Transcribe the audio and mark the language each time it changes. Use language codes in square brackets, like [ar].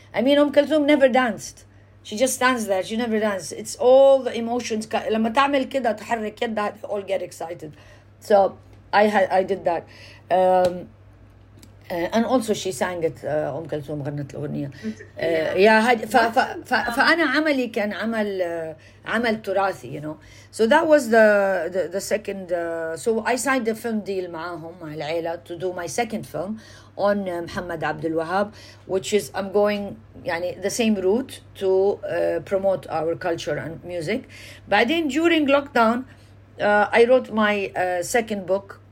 [en] I mean أم كلثوم never danced. She just stands there. She never dances. It's all the emotions. [ar] لما تعمل كده تحرك كده, [en] they all get excited. So I did that. And also she sang it [ar] أم كلثوم غنت الأغنية. [en] Yeah, [ar] فأنا عملي كان عمل عمل تراثي, [en] you know. So that was the second. So I signed a film deal [ar] معهم مع العيلة [en] to do my second film on محمد عبد الوهاب, which is I'm going [ar] يعني [en] the same route to promote our culture and music. [ar] بعدين [en] during lockdown, I wrote my second book.